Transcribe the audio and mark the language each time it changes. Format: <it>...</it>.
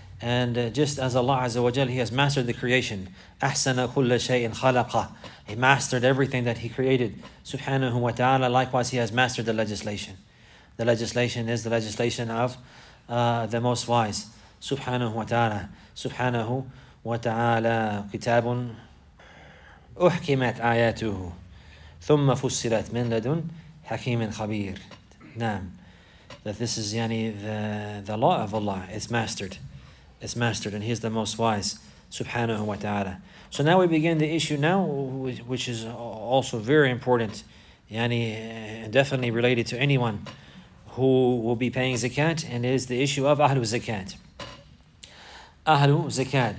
<en>And just as Allah Azza wa Jal, He has mastered the creation,</en> <ar>أَحْسَنَ كُلَّ شَيْءٍ خَلَقَ,</ar> <en>He mastered everything that He created, subhanahu wa ta'ala. Likewise, He has mastered the legislation. The legislation is the legislation of the Most Wise, subhanahu wa ta'ala.</en> <ar>Subhanahu wa ta'ala, كِتَابٌ أُحْكِمَتْ آيَاتُهُ ثُمَّ فُسِّلَتْ مِنْ لَدُنْ حَكِيمٍ خَبِيرٍ. نعم.</ar> <en>That this is the law of Allah, it's mastered. It's mastered, and He is the Most Wise, subhanahu wa ta'ala. So now we begin the issue now, which is also very important, definitely related to anyone who will be paying zakat, and it is the issue of ahlu zakat. Ahlu zakat.</en>